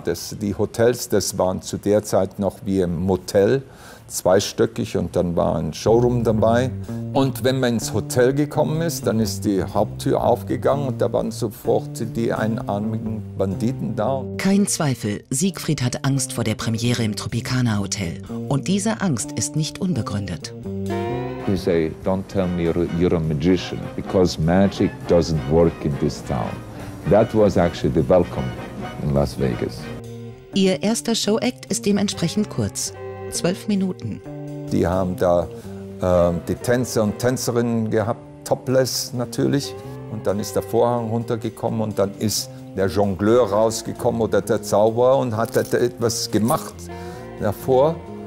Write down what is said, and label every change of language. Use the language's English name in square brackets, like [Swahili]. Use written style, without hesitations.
[German] Die Hotels, das waren zu der Zeit noch wie im Motel, zweistöckig, und dann war ein Showroom dabei. Und wenn man ins Hotel gekommen ist, dann ist die Haupttür aufgegangen und da waren sofort die einarmigen Banditen da. Kein Zweifel, Siegfried hat Angst vor der Premiere im Tropicana Hotel. Und diese Angst ist nicht unbegründet. [English] You say, don't tell me you're a magician, because magic doesn't work in this town. That was actually the welcome in Las Vegas. [German] Ihr erster Show-Act ist dementsprechend kurz, 12 Minuten. Die haben da die Tänzer und Tänzerinnen gehabt, topless natürlich. Und dann ist der Vorhang runtergekommen und dann ist der Jongleur rausgekommen oder der Zauberer und hat da etwas gemacht davor.